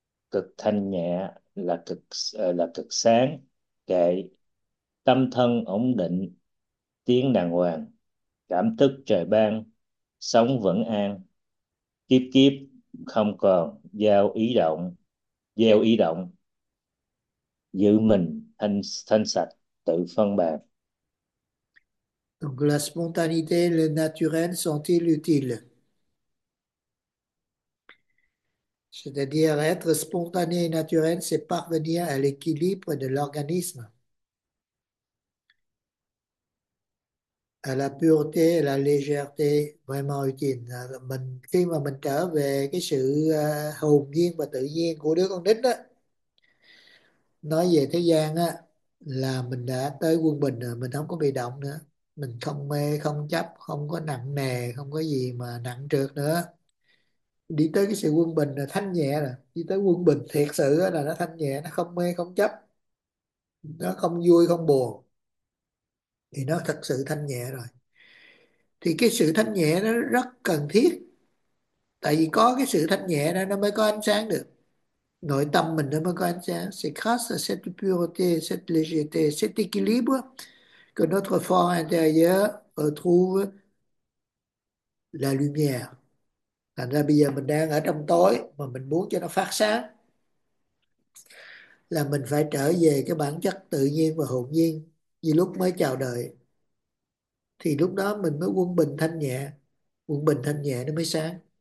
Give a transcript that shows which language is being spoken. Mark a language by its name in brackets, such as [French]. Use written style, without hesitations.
[Vietnamese] Cực thanh nhẹ là cực sáng kệ, tâm thân ổn định, tiến đàng hoàng, cảm thức trời ban, sống vẫn an, kiếp kiếp không còn gieo ý động, giữ mình thanh thanh sạch, tự phân bạc. [French] Donc, la spontanéité, le naturel sont-ils utiles? C'est-à-dire être spontané et naturel, c'est parvenir à l'équilibre de l'organisme, à la pureté et à la légèreté vraiment utile. [Vietnamese] Mình, khi mà mình trở về cái sự hồn nhiên và tự nhiên của đứa con nít đó, nói về thế gian đó, là mình đã tới quân bình rồi, mình không có bị động nữa. Mình không mê, không chấp, không có nặng nề, không có gì mà nặng trược nữa. Đi tới cái sự quân bình là thanh nhẹ rồi. Đi tới quân bình thiệt sự là nó thanh nhẹ, nó không mê, không chấp. Nó không vui, không buồn. Thì nó thật sự thanh nhẹ rồi. Thì cái sự thanh nhẹ nó rất cần thiết. Tại vì có cái sự thanh nhẹ đó nó mới có ánh sáng được. Nội tâm mình nó mới có ánh sáng. [French] C'est grâce à cette pureté, cette légèreté, cet équilibre que notre fort intérieur retrouve la lumière. [Vietnamese] Thành ra bây giờ mình đang ở trong tối mà mình muốn cho nó phát sáng là mình phải trở về cái bản chất tự nhiên và hồn nhiên như lúc mới chào đời. Thì lúc đó mình mới quân bình thanh nhẹ. Quân bình thanh nhẹ nó mới sáng.